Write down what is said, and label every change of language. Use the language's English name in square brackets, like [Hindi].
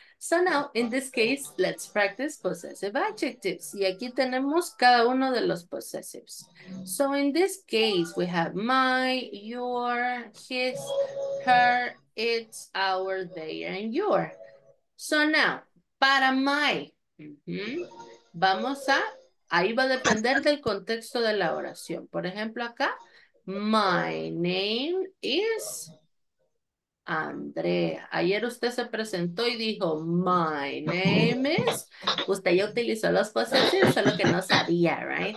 [English] So now, in this case, let's practice possessive adjectives. [Spanish] Y aquí tenemos cada uno de los possessives. [English] So in this case, we have my, your, his, her, it's, our, they, and your. So now, [Spanish] para my, vamos a, ahí va a depender del contexto de la oración. Por ejemplo, acá, [English] my name is... [Spanish] Andrea, ayer usted se presentó y dijo, [English] my name is, [Spanish] usted ya utilizó los possessives, solo que no sabía, [English] right?